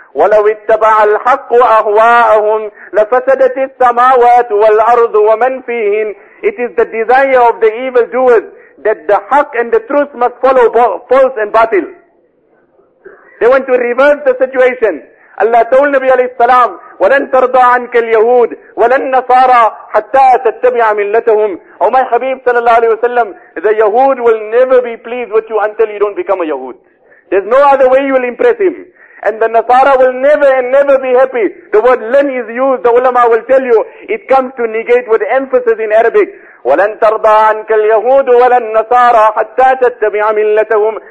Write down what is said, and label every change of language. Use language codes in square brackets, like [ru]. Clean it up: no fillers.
[ar] وَلَوِ اتَّبَعَ الْحَقُّ أَهْوَاءَهُمْ لَفَسَدَتِ السَّمَاوَاتُ وَالْأَرْضُ وَمَنْ فِيهِنْ. [en] It is the desire of the evil doers that the haq and the truth must follow false and batil. They want to reverse the situation. Allah told Nabi alayhi salam, [ar] وَلَنْ تَرْضَى عَنْكَ الْيَهُودِ وَلَنْ نَصَارَى حَتَّى تَتَّبِعَ مِلَّتَهُمْ. [en] Oh my Habib sallallahu alayhi wa sallam, the Yahud will never be pleased with you until you don't become a Yahud. There's no other way you will impress him. And the Nasara will never and never be happy. The word lan is used, the ulama will tell you, it comes to negate with emphasis in Arabic. [ar] وَلَنْ تَرْضَى عَنْكَ الْيَهُودُ وَلَنْ نَصَارَى حَتَّى تَتَّبِعَ مِلَّتَهُمْ.